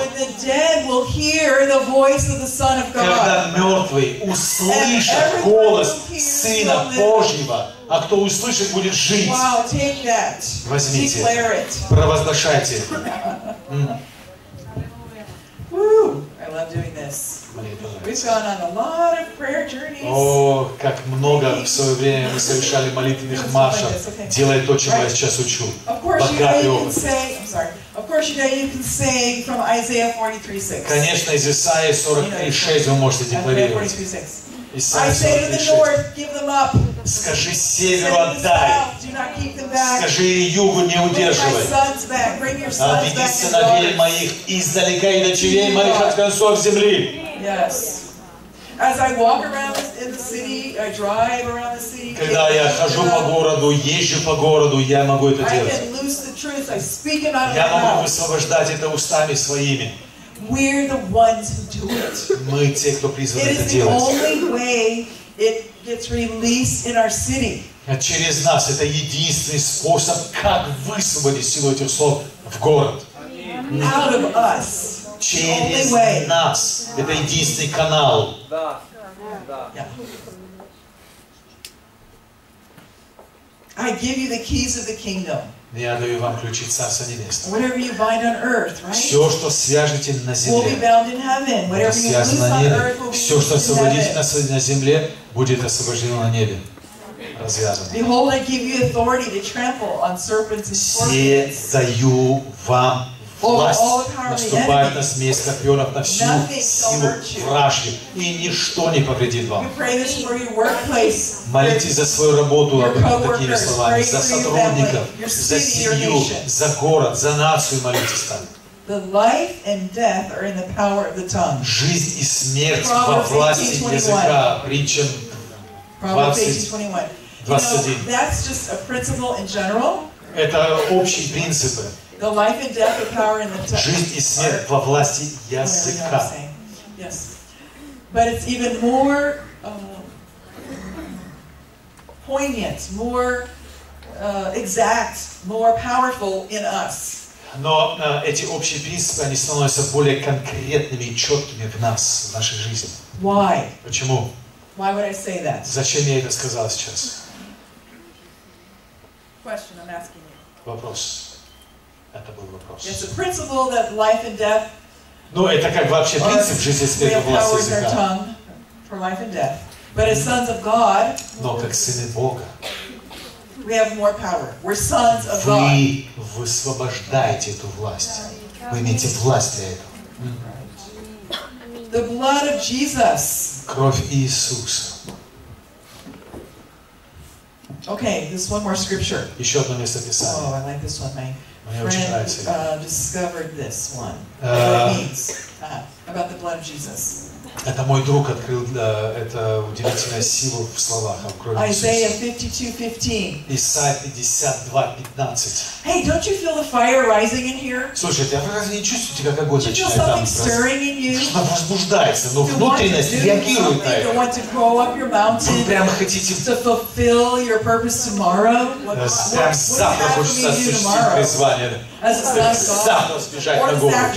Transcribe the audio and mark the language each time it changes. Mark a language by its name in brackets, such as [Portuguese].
[English] When the dead will hear the voice of the Son of God. [Russian] Когда мертвые услышат голос Сына Божьего, а кто услышит, будет жить. [English] Wow, take that. [Russian] Возьмите. [English] Declare it. [Russian] Провозглашайте. [English] I love doing this. We've gone on a lot of prayer journeys. [Russian] О, как много в свое время мы совершали молитвенных маршев, делая то, чему я сейчас учу. Конечно, из Исаии 43:6 вы можете декларировать. Исаии 43:6. Скажи северу отдай. Скажи югу не удерживай. Отведи сыновей моих издалека и дочерей моих от концов земли. [English] Yes. As I walk around in the city, I drive around the city. [Russian] Когда я хожу по городу, езжу по городу, я могу это делать. [English] I can loose the truth. I speak it out loud. [Russian] Я могу высвобождать это устами своими. [English] We're the ones who do it. [Russian] Мы те, кто призваны это делать. [English] It is the only way it gets released in our city. [Russian] Через нас это единственный способ, как высвободить силу этих слов в город. [English] Out of us. [Russian] Через нас. Это единственный канал. Да. [English] I give you the keys of the kingdom. [Russian] Я даю вам ключи Царства Небесного. [English] Whatever you bind on earth, right? [Russian] Все, что свяжете на земле, [English] will be bound in heaven. Whatever you loose on earth, will be loose in heaven. [Russian] Все, что освободите на земле, будет освобождено на небе. Развязано. [English] Behold, I give you authority to trample on serpents and scorpions. [Russian] Все даю вам Власть наступает на змей скорпионов, на всю силу вражьи, и ничто не повредит вам. Молитесь за свою работу, такими словами, за сотрудников, за семью, за город, за нацию молитесь там. Жизнь и смерть во власти языка, притчам 20-21. [English] That's just a principle in general. [Russian] Это общие принципы. [English] The life and death, the power in the tongue. [Russian] Жизнь и смерть во власти языка. [English] Yes, but it's even more poignant, more exact, more powerful in us. [Russian] Но эти общие принципы, они становятся более конкретными и четкими в нас, в нашей жизни. [English] Why? [Russian] Почему? [English] Why would I say that? [Russian] Зачем я это сказал сейчас? [English] Question I'm asking you. [Russian] Вопрос. Это был вопрос. [English] It's a principle that life and death. [Russian] Ну, это как вообще принцип жизни и смерти во власти языка. [English] Our tongue for life and death. But as sons of God. [Russian] Но как сыны Бога. [English] We have more power. We're sons of God. [Russian] Вы высвобождаете эту власть. Вы имеете власть для этого. [English] The blood of Jesus. [Russian] Кровь Иисуса. [English] Okay, this one more scripture. [Russian] Еще одно место писания. [English] Oh, I like this one. My discovered this one. About the blood of Jesus. [Russian] Это мой друг открыл это удивительную силу в словах, в крови Иисуса. Исайя 52:15. [English] Hey, don't you feel the fire rising in here? [Russian] Слушайте, а вы разве не чувствуете, как огонь начинает там? [English] Do you feel something stirring in you? [Russian] Что-то возбуждается, но внутренность реагирует на это. [English] You want to grow up your mountain? [Russian] Вы прямо хотите [English] to fulfill your purpose tomorrow? [Russian] Завтра хочется осуществить призвание. Завтра сбежать на гору.